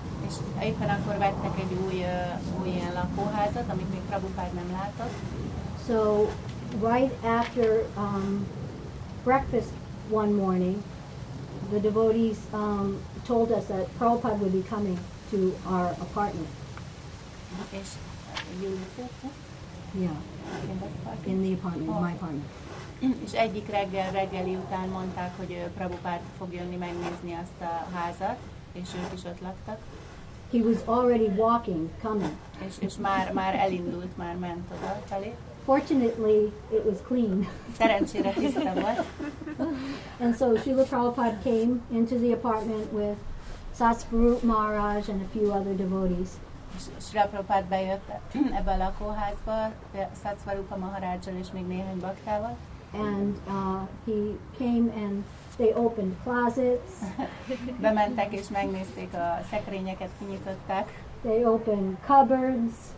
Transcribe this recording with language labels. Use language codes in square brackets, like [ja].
[hu] És éppen akkor vettek egy új ilyen lakóházat, amit még Prabhupád nem látott. [en] So, right after breakfast one morning, the devotees told us that Prabhupád would be coming to our apartment. [hu] És [en] you lived there? Yeah. In the apartment, my apartment. [hu] És egyik reggeli után mondták, hogy Prabhupád fog jönni megnézni azt a házat, és ők is ott laktak. [en] He was already walking, coming. [hu] És már elindult, már ment oda felé. [en] Fortunately, it was clean. [hu] Szerencsére tiszta volt. [en] And so Srila Prabhupada came into the apartment with Satsvarupa Maharaj and a few other devotees. [hu] Srila Prabhupada bejött ebbe a lakóházba, Satsvarupa Maharajjal és még néhány baktával. [en] And he came and they opened closets. [hu] Bementek és megnézték a szekrényeket, kinyitották. [en] They opened cupboards.